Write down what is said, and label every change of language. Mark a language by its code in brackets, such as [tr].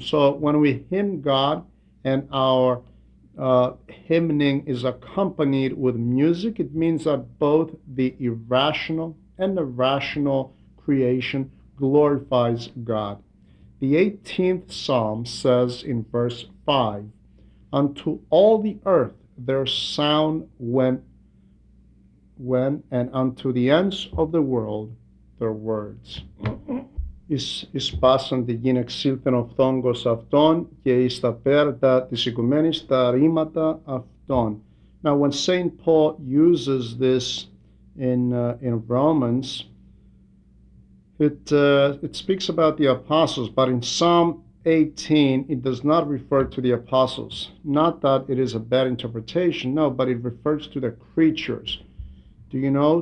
[en] So when we hymn God and our hymning is accompanied with music, it means that both the irrational and the rational creation glorifies God. The 18th Psalm says in verse 5, unto all the earth their sound went, and unto the ends of the world their words. [el] Εις πάσαν τη γη εξήλθεν ο φθόγκος αυτών και εις τα πέρατα της οικουμένης τα ρήματα αυτών. [en] Now, when St. Paul uses this in Romans, It speaks about the apostles, but in Psalm 18, it does not refer to the apostles. Not that it is a bad interpretation, no, but it refers to the creatures. Do you know?